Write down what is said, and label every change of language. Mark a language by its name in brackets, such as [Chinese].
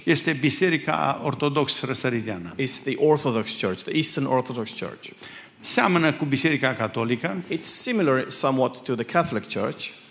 [Romanian] este biserica ortodoxă răsăritiană. [English] Is the Orthodox Church, the Eastern Orthodox Church. [Romanian] Seamănă cu biserica catolică. [English] It's similar somewhat to the Catholic Church,